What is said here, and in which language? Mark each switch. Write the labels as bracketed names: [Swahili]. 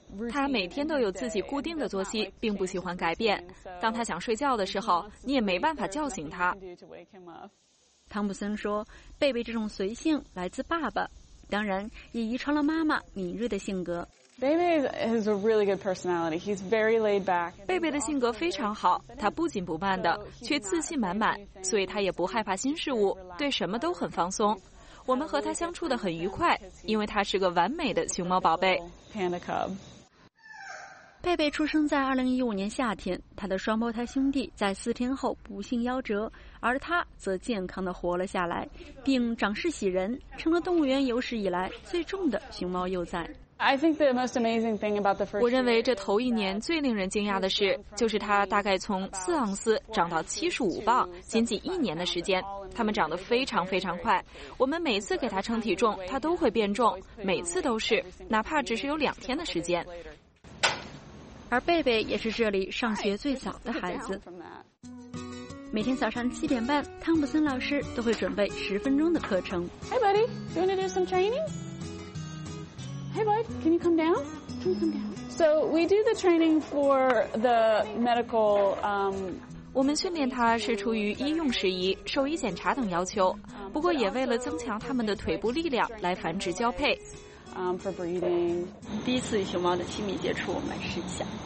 [Chinese] 他每天都有自己固定的作息，并不喜欢改变。当他想睡觉的时候，你也没办法叫醒他。汤普森说，贝贝这种随性来自爸爸，当然也遗传了妈妈敏锐的性格。 [English] Baby has a really good personality. He's very laid back. [Chinese] 贝贝的性格非常好，他不紧不慢的，却自信满满，所以他也不害怕新事物，对什么都很放松。我们和他相处得很愉快，因为他是个完美的熊猫宝贝。 [English] Panda cub. [Chinese] 贝贝出生在2015年夏天，他的双胞胎兄弟在四天后不幸夭折，而他则健康的活了下来，并长势喜人，成了动物园有史以来最重的熊猫幼崽。我认为这头一年最令人惊讶的事，就是它大概从4盎司长到75磅，仅仅一年的时间，它们长得非常非常快。我们每次给它称体重，它都会变重，每次都是，哪怕只是有2天的时间。而贝贝也是这里上学最早的孩子。每天早上7点半，汤普森老师都会准备10分钟的课程。 [English] Hey buddy, you want to do some training? Hey bud, can you come down? Please come down. So we do the training for the medical. [Chinese] 我们训练它是出于医用事宜、兽医检查等要求，不过也为了增强它们的腿部力量来繁殖交配。 [English] for breeding. [Chinese] 第一次与熊猫的亲密接触，我们来试一下。